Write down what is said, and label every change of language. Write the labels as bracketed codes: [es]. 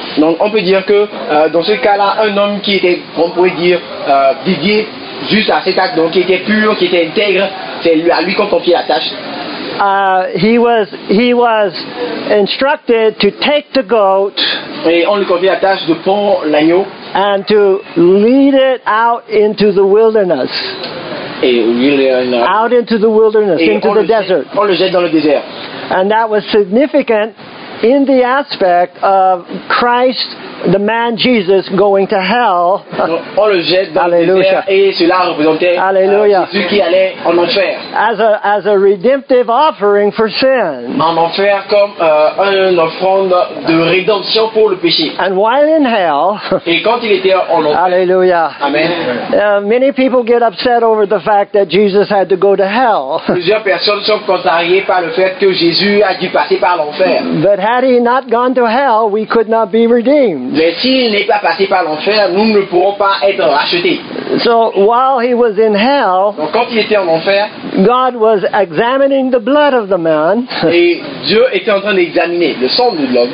[fr] Donc on peut dire que dans ce cas-là, un homme qui était, on pourrait dire, dédié juste à cet acte, donc qui était pur, qui était intègre, c'est à lui qu'on confie la tâche. [en] He was instructed to take the goat. [fr] Et on lui confie la tâche de prendre l'agneau. [en] And to lead it out into the wilderness. [fr] Et [en] out into the wilderness, [fr] et [en] into the desert. [fr] On le jette dans le désert. [en] And that was significant in the aspect of Christ, the man Jesus, going to hell. [fr] On le jette dans Alleluia. Le désert, et cela représentait Alleluia. Jésus qui allait en enfer. [en] As a redemptive offering for sin. [fr] En enfer comme une offrande de rédemption pour le péché. [en] And while in hell, [fr] et quand il était en enfer, Alleluia. Amen. [en] Many people get upset over the fact that Jesus had to go to hell. [fr] Plusieurs personnes sont contrariées par le fait que Jésus a dû passer par l'enfer. [en] But had he not gone to hell, we could not be redeemed. [fr] Mais s'il n'est pas passé par l'enfer, nous ne pourrons pas être rachetés. [en] So while he was in hell, [fr] donc quand il était en enfer, [en] God was examining the blood of the man. [fr] Et Dieu était en train d'examiner le sang de l'homme.